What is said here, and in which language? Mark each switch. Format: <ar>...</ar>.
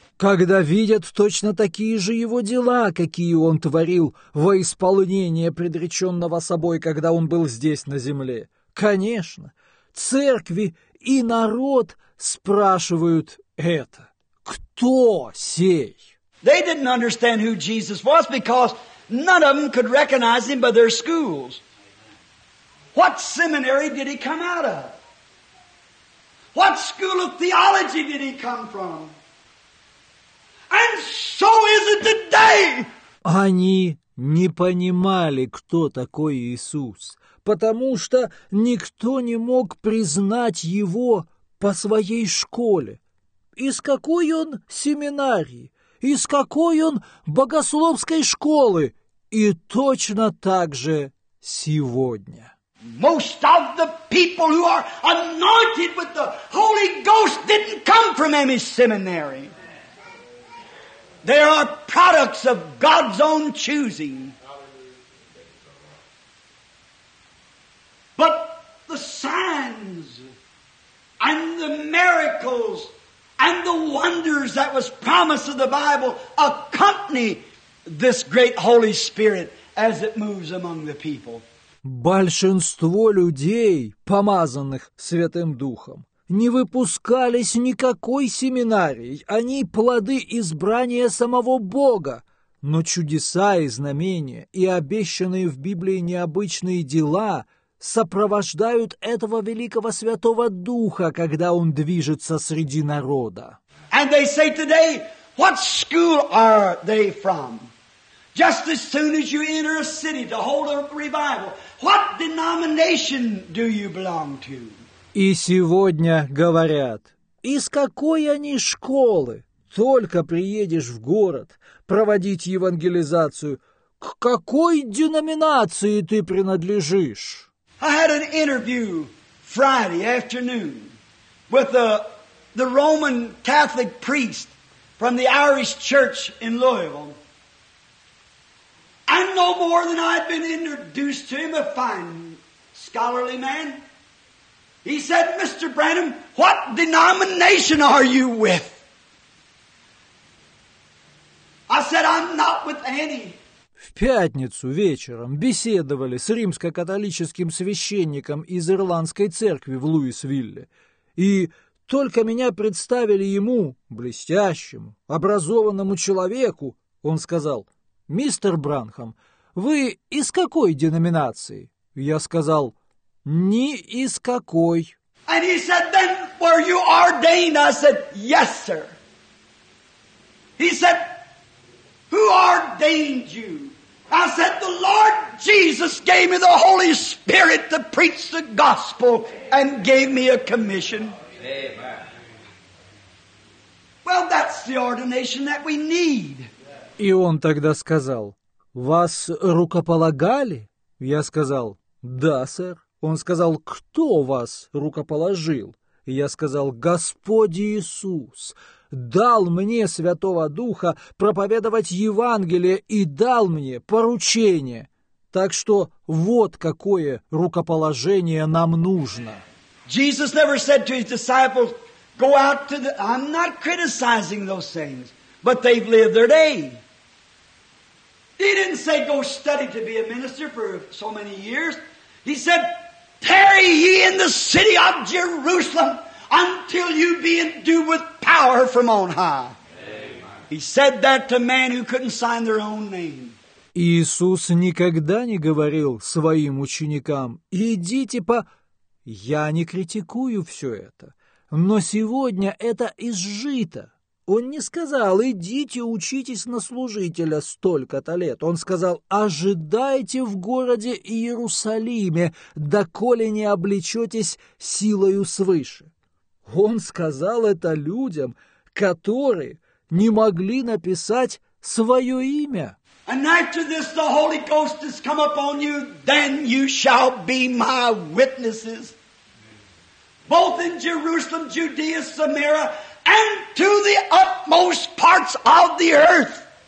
<ru>Когда видят точно такие же его дела, какие он творил во исполнение предреченного собой, когда он был здесь на земле. Конечно, церкви и народ спрашивают это. Кто сей?</ru> <en>They didn't understand who Jesus was because none of them could recognize him by their schools. What seminary did he come out of? What school of theology did he come from? And so is it today.</en> <ru>Они не понимали, кто такой Иисус, потому что никто не мог признать его по своей школе. Из какой он семинарии? Из какой он богословской школы? И точно так же сегодня.</ru> <en>Most of the people who are anointed with the Holy Ghost didn't come from any seminary. They are products of God's own choosing. But the signs and the miracles and the wonders that was promised of the Bible accompany this great Holy Spirit as it moves among the people.</en> <ru>Большинство людей, помазанных Святым Духом, не выпускались никакой семинарии, они плоды избрания самого Бога, но чудеса и знамения и обещанные в Библии необычные дела сопровождают этого великого Святого Духа, когда он движется среди народа.</ru> <en>And they say today, what school are they from? Just as soon as you enter a city to hold a revival, what denomination do you belong to?</en> <ru>И сегодня говорят, из какой они школы? Только приедешь в город проводить евангелизацию, к какой деноминации ты принадлежишь?</ru> <en>I had an interview Friday afternoon with the Roman Catholic priest from the Irish Church in Louisville. And no more than I've been introduced to him, a fine scholarly man. He said, Mr. Branham, what denomination are you with? I said, I'm not with any.</en> <ru>В пятницу вечером беседовали с римско-католическим священником из Ирландской церкви в Луисвилле. И только меня представили ему, блестящему, образованному человеку, он сказал... «Мистер Бранхам, вы из какой деноминации?» Я сказал, «Ни из какой».</ru> <en>And he said, then were you ordained? I said, yes, sir. He said, who ordained you? I said, the Lord Jesus gave me the Holy Spirit to preach the gospel and gave me a commission. Amen. Well, that's the ordination that we need.</en> <ru>И он тогда сказал, вас рукополагали? Я сказал, да, сэр. Он сказал, кто вас рукоположил? Я сказал, Господь Иисус дал мне Святого Духа проповедовать Евангелие и дал мне поручение. Так что вот какое рукоположение нам нужно.</ru> <en>Jesus never said to his disciples, go out to the... I'm not criticizing those things, but they've lived their day. He didn't say, go study to be a minister for so many years. He said, tarry ye in the city of Jerusalem until you be endued with power from on high. Amen. He said that to men who couldn't sign their own name.</en> <ru>Иисус никогда не говорил своим ученикам, идите по... Я не критикую все это, но сегодня это изжито. Он не сказал, идите учитесь на служителя столько-то лет. Он сказал, ожидайте в городе Иерусалиме, доколе не облечетесь силою свыше. Он сказал это людям, которые не могли написать свое имя.</ru> <en>And after this the Holy Ghost has come upon you, then you shall be my witnesses. Both in Jerusalem, Judea, Samaria, and to the utmost parts of the earth.</en>